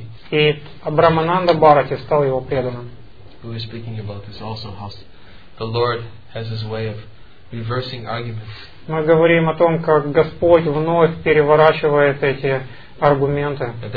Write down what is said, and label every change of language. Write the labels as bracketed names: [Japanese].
[Russian] И Брахмананда Бхарати стал его преданным. [English] Who is speaking about this also, how the Lord has his way of reversing arguments. [Russian] Мы говорим о том, как Господь вновь переворачивает эти аргументы.